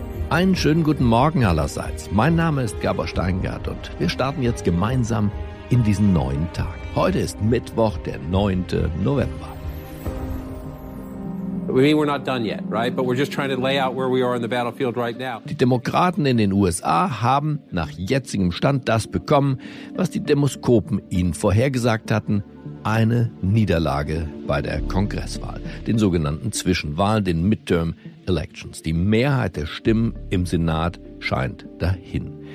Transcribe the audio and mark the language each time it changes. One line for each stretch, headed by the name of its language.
German: Einen schönen guten Morgen allerseits. Mein Name ist Gabor Steingart und wir starten jetzt gemeinsam in diesen neuen Tag. Heute ist Mittwoch, der 9. November.
English: We mean we're not done yet, right? But we're just trying to lay out where we are in the battlefield right now.
German: Die Demokraten in den USA haben nach jetzigem Stand das bekommen, was die Demoskopen ihnen vorhergesagt hatten: eine Niederlage bei der Kongresswahl, den sogenannten Zwischenwahlen, den Midterm Elections. Die Mehrheit der Stimmen im Senat scheint dahin.